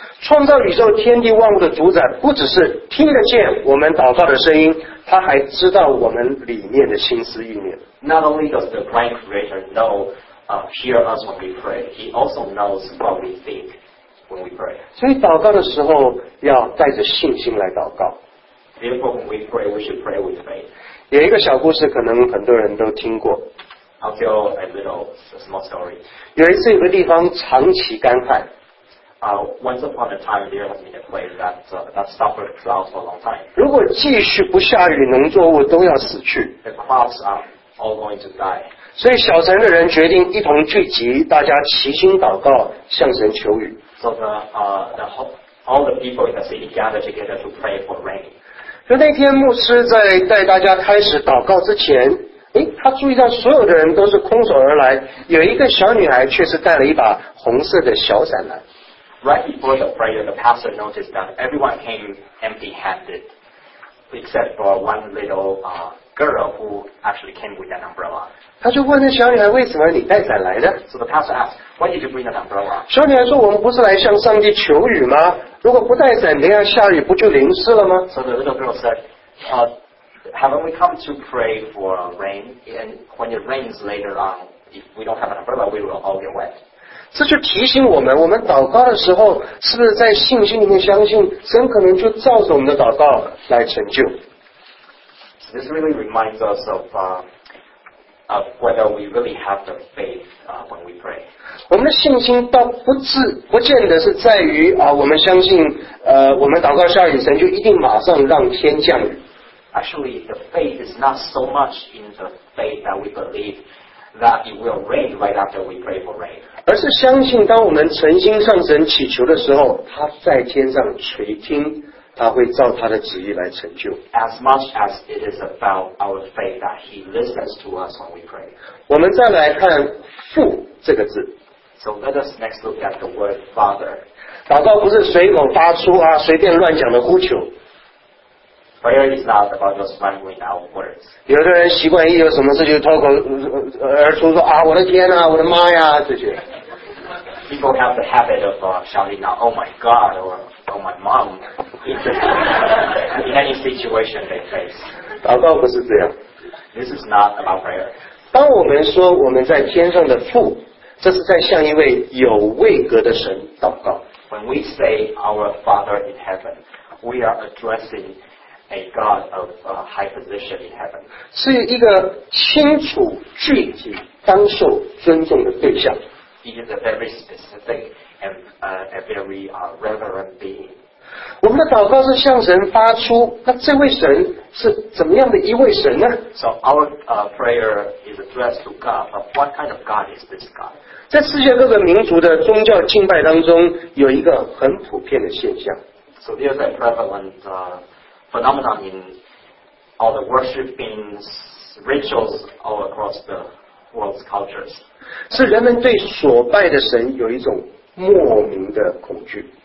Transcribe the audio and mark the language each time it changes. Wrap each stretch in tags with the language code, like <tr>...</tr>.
<zh>创造宇宙天地万物的主宰不只是听得见我们祷告的声音，他还知道我们里面的心思意念。</zh> <en>Not only does the grand creator know, hear us when we pray, he also knows what we think when we pray.</en> <zh>所以祷告的时候要带着信心来祷告。</zh> <en>Therefore, when we pray, we should pray with faith.</en> <zh>有一个小故事，可能很多人都听过。</zh> <en>I'll tell a little small story.</en> <zh>有一次有个地方长期干旱。</zh> <en>Once upon a time, there has been a place that suffered drought for a long time.</en> <zh>如果继续不下雨，农作物都要死去。</zh> <en>The crops are all going to die.</en> <zh>所以小城的人决定一同聚集，大家齐心祷告，向神求雨。</zh> <en>So all the people in the city gather together to pray for rain.</en> <zh>就那天牧师在带大家开始祷告之前，他注意到所有的人都是空手而来，有一个小女孩却是带了一把红色的小伞来。</zh> <en>Right before the prayer, the pastor noticed that everyone came empty-handed, except for one little girl who actually came with an umbrella.</en> <zh>他就问那小女孩，为什么你带伞来的？</zh> <en>So the pastor asked, why did you bring an umbrella?</en> <zh>小女孩说，我们不是来向上帝求雨吗？如果不带伞，等下下雨不就淋湿了吗？</zh> <en>So the little girl said, haven't we come to pray for rain? And when it rains later on, if we don't have an umbrella, we will all get wet.</en> <zh>这就提醒我们，我们祷告的时候，是不是在信心里面相信，神可能就照着我们的祷告来成就。</zh> <en>So this really reminds us of whether we really have the faith when we pray.</en> <zh>我们的信心倒不见得是在于我们相信我们祷告下雨，神就一定马上让天降雨。</zh> <en>Actually, the faith is not so much in the faith that we believe that it will rain right after we pray for rain.</en> <zh>而是相信当我们诚心向神祈求的时候，他在天上垂听，他会照他的旨意来成就。</zh> <en>As much as it is about our faith that he listens to us when we pray.</en> <zh>我们再来看父这个字。</zh> <en>So let us next look at the word father.</en> <zh>祷告不是随口发出啊，随便乱讲的呼求。</zh> <en>Prayer is not about just mumbling out words.</en> <zh>有的人习惯一有什么事就脱口而出说啊，我的天啊，我的妈呀，这些。</zh> <en>People have the habit of shouting out, "Oh my God" or "Oh my mom." In any situation they face.</en> <zh>祷告不是这样。</zh> <en>This is not about prayer.</en> <zh>当我们说我们在天上的父，这是在向一位有位格的神祷告。</zh> <en>When we say our Father in heaven, we are addressing a God of high position in heaven.</en> <zh>是一个清楚具体当受尊重的对象。</zh> <en>He is a very specific and a very reverent being.</en> <zh>我们的祷告是向神发出，那这位神是怎么样的一位神呢？</zh> <en>So our prayer is addressed to God, but what kind of God is this God?</en> <zh>在世界各个民族的宗教敬拜当中有一个很普遍的现象。</zh> <en>So there's a prevalent phenomenon in all the worshiping rituals all across the world's cultures.</en> <zh>是人们对所拜的神有一种莫名的恐惧。</zh>